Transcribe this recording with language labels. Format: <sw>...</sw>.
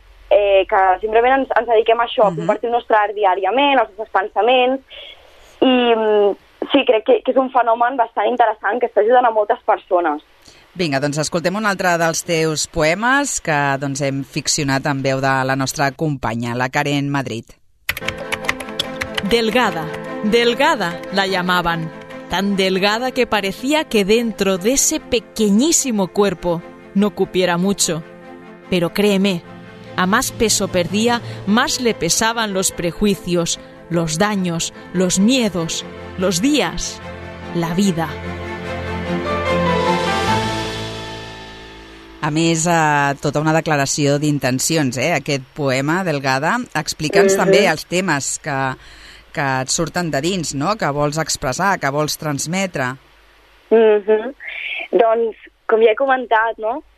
<ca>que simplement ens dediquem a això, a compartir el nostre art diàriament, els nostres pensaments, i sí, crec que és un fenomen bastant interessant que està ajudant a moltes persones. Vinga, doncs escoltem un altre dels teus poemes que doncs, hem ficcionat en veu de la nostra companya, la Karen Madrid.</ca> <es>Delgada, delgada la llamaban, tan delgada que parecía que dentro de ese pequeñísimo cuerpo no cupiera mucho. Pero créeme, a más peso perdía, más le pesaban los prejuicios, los daños, los miedos, los días, la vida.</es> <ca>A més, tota una declaració d'intencions, eh? Aquest poema, Delgada. Explica'ns també els temes que et surten de dins, no? Que vols expressar, que vols transmetre. Doncs, com ja he comentat, no?</ca>